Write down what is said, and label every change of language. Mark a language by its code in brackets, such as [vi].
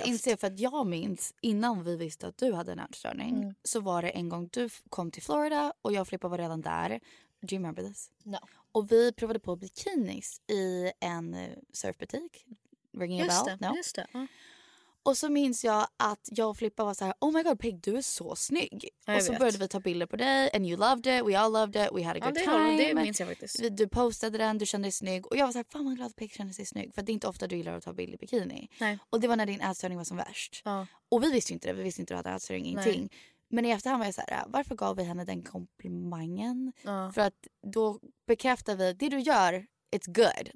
[sv] att inse, för att jag minns innan vi visste att du hade en ätstörning, så var det en gång du kom till Florida och jag och Filippa var redan där. [en] Do you remember this? No. [sv] Och vi provade på bikinis i en surfbutik. Ringing [en] just a bell? [sv] Det, [en] no? [sv] Just det. Och så minns jag att jag och Filippa var så här, [en] oh my god, [sv] Peg, du är så snygg. Ja, och så började vi ta bilder på dig. [en] And you loved it. We all loved it. We had a good time. [sv] Det minns jag faktiskt. Du postade den. Du kände dig snygg. Och jag var så här, fan vad glad Peg kände sig snygg. För det är inte ofta du gillar att ta bilder i bikini. Nej. Och det var när din ätstörning var som värst. Ja. Och vi visste ju inte det. Vi visste inte att du hade ätstörning, ingenting. Nej. Men i efterhand var jag så här, varför gav vi henne den komplimangen? För att då bekräftar vi, det du gör, [en] it's good.